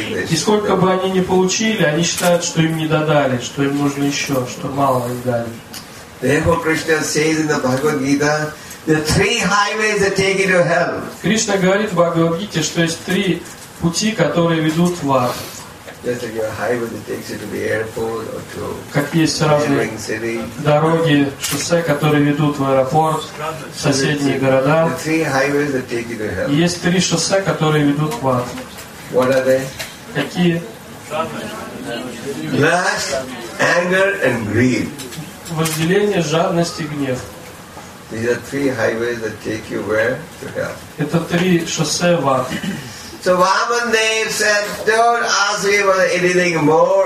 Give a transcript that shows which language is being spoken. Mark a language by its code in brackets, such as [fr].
[ru] И сколько бы они ни получили, они считают, что им не додали, что им нужно еще, что мало им дали. Кришна говорит в Бхагавад-гите, что есть три пути, которые ведут в ад. [en] Just like your highway that takes you to the airport or to [ru] как есть разные [en] city. [ru] Дороги, шоссе, которые ведут в аэропорт, в соседние города. [en] The three highways that take you to hell. [ru] Есть три шоссе, которые ведут в ад. [en] What are they? [ru] Какие? [en] Lust, anger and greed. [ru] Вожделение, жадность и гнев. [en] These are three highways that take you where? To hell. [ru] Это три шоссе в ад. [en] So Vamadeva said, don't ask me for anything more.